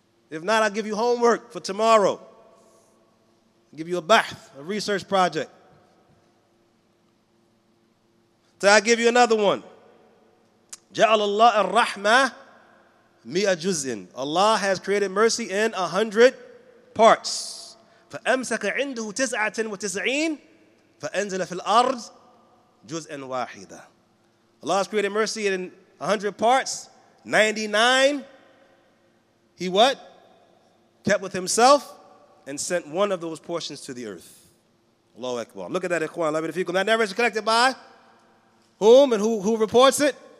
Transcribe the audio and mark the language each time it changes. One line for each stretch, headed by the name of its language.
English: If not, I'll give you homework for tomorrow. I'll give you a bahth, a research project. So I'll give you another one.
Arabic: جعل الله الرحمة مئة جزء.
English: Allah has created mercy in 100 parts.
Arabic: فأمسك عنده 99 فأنزل في الأرض جزء واحدة.
English: Allah has created mercy in 100 parts. 99. He what? Kept with himself and sent one of those portions to the earth. Allahu Akbar. Look at that, Ikhwan. That narrator is collected by whom and who reports it?